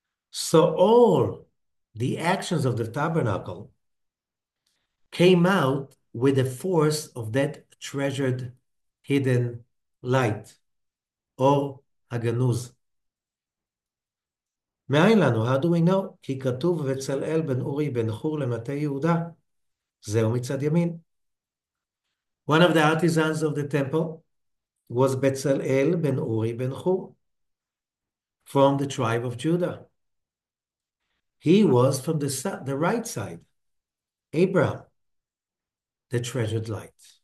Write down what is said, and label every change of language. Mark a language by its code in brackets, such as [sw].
[en] So all the actions of the tabernacle came out with the force of that treasured hidden light, or Haganuz. [he] מאין לנו? [en] How do we know? [he] כי כתוב וצלאל בן אורי בן חור למטה יהודה. זהו מצד ימין. [en] One of the artisans of the temple was בצלאל בן אורי בן חור from the tribe of Judah. He was from the right side, Abraham, the treasured light.